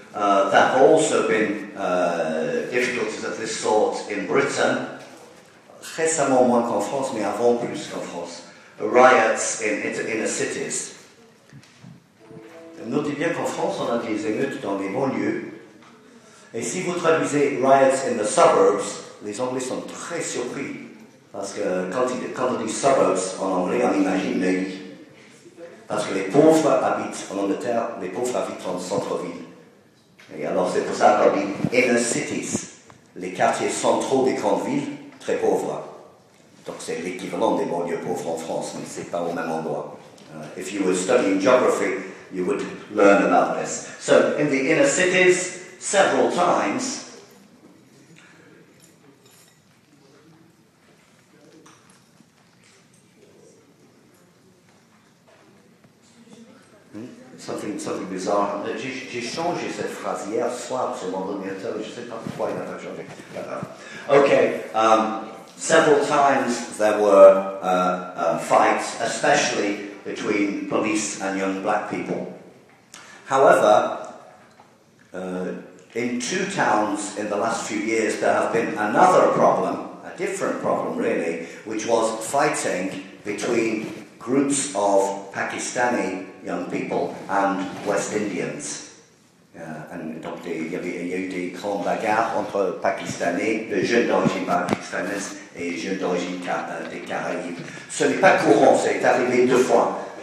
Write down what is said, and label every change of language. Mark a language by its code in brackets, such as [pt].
[en] There have also been difficulties of this sort in Britain. [fr] Récemment moins qu'en France, mais avant plus qu'en France. [en] Riots in inner cities. [fr] Notez bien qu'en France, on a des émeutes dans les banlieues. Et si vous traduisez [en] riots in the suburbs, [fr] les Anglais sont très surpris. Parce que quand on dit suburbs en anglais, on imagine les villes. Parce que les pauvres habitent en Angleterre, les pauvres habitent en centre-ville. Et alors c'est pour ça qu'on dit inner cities, les quartiers centraux des grandes villes, très pauvres. Donc c'est l'équivalent des banlieues pauvres en France, mais c'est pas au même endroit. [en] If you were studying geography, you would learn about this. So, in the inner cities, several times, Something bizarre. [fr] J'ai changé cette phrase hier soir sur mon ordinateur. Je ne sais pas pourquoi il n'a pas changé. [en] Okay. Several times there were fights, especially between police and young black people. However, in 2 towns in the last few years, there have been another problem, a different problem really, which was fighting between groups of Pakistani young people and West Indians. [fr] Il y a eu des grandes bagarres entre Pakistanais, de jeunes d'origine pakistanaise et jeunes d'origine des Caraïbes. Ce n'est pas courant, c'est arrivé 2 fois.